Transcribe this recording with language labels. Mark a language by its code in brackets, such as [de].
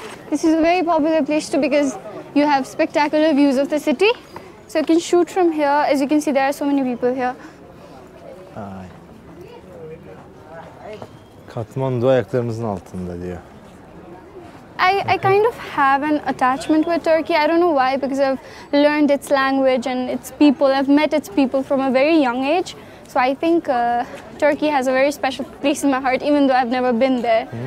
[en] This is a very popular place too because you have spectacular views of the city. So you can shoot from here. As you can see, there are so many people here. Ay. [tr] Katmandu ayaklarımızın altında diyor. [en] I kind of have an attachment with Turkey. I don't know why, because I've learned its language and its people. I've met its people from a very young age. So I think Turkey has a very special place in my heart, even though I've never been there.